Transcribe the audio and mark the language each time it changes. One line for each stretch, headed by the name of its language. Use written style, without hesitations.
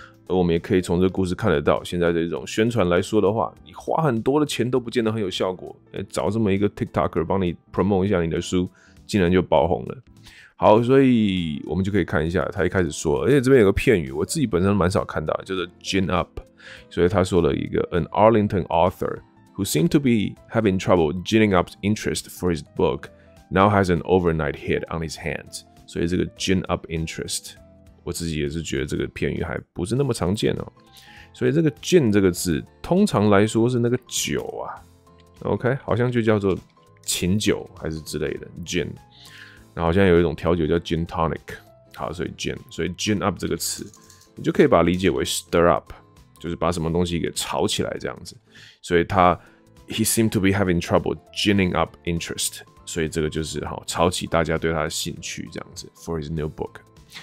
Chinese: 而我们也可以从这故事看得到，现在这种宣传来说的话，你花很多的钱都不见得很有效果。找这么一个 TikToker 帮你 promote 一下你的书，竟然就爆红了。好，所以我们就可以看一下他一开始说，而且这边有个片语，我自己本身蛮少看到，叫做 gin up。所以他说了一个
English: an Arlington author who seemed to be having trouble ginning up interest for his book now has an overnight hit on his hands。
Chinese: 所以这个 gin up interest。我自己也是觉得这个片语还不是那么常见哦，所以这个 gin 这个字通常来说是那个酒啊 ，OK， 好像就叫做琴酒还是之类的 gin， 然后好像有一种调酒叫 gin tonic， 好，所以 gin， 所以 gin up 这个词，你就可以把它理解为 stir up， 就是把什么东西给炒起来这样子，所以他
English: he seemed to be having trouble ginning up interest，
Chinese: 所以这个就是哈炒起大家对他的兴趣这样子 ，
English: for his new book。